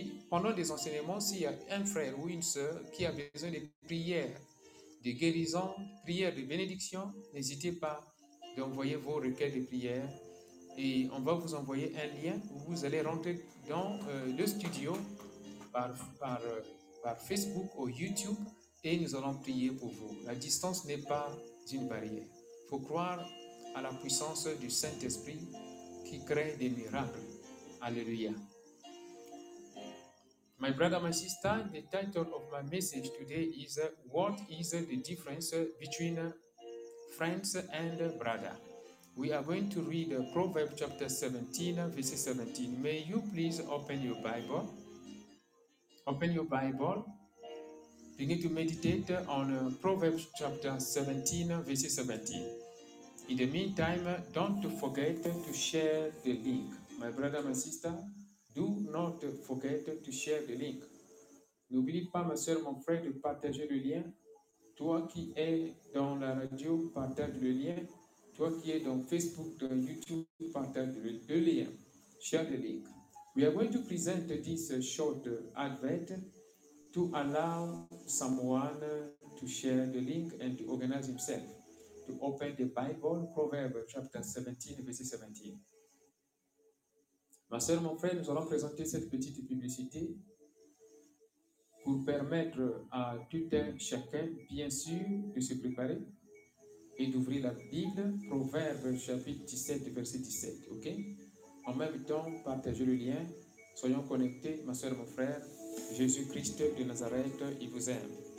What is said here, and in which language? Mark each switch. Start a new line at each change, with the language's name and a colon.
French: Pendant les enseignements, s'il y a un frère ou une sœur qui a besoin de prières, de guérison, prières de bénédiction, n'hésitez pas d'envoyer vos requêtes de prières et on va vous envoyer un lien où vous allez rentrer dans le studio par Facebook ou YouTube et nous allons prier pour vous. La distance n'est pas une barrière. Il faut croire à la puissance du Saint-Esprit qui crée des miracles. Alléluia.
English: My brother, my sister, the title of my message today is What is the difference between friends and brothers? We are going to read Proverbs chapter 17, verse 17. May you please open your Bible. Open your Bible. Begin to meditate on Proverbs chapter 17, verse 17. In the meantime, don't forget to share the link. My brother, my sister, Do not forget to share the link.
French: N'oublie pas, ma soeur, mon frère, de partager le lien. Toi qui es dans la radio, partage le lien. Toi qui es dans Facebook, dans YouTube, partage le lien.
English: Share the link. We are going to present this short advert to allow someone to share the link and to organize himself, to open the Bible, Proverbs chapter 17, verse 17.
French: Ma soeur, mon frère, nous allons présenter cette petite publicité pour permettre à tout un chacun, bien sûr, de se préparer et d'ouvrir la Bible, Proverbes chapitre 17, verset 17, ok? En même temps, partagez le lien, soyons connectés, ma soeur, mon frère, Jésus-Christ de Nazareth, il vous aime.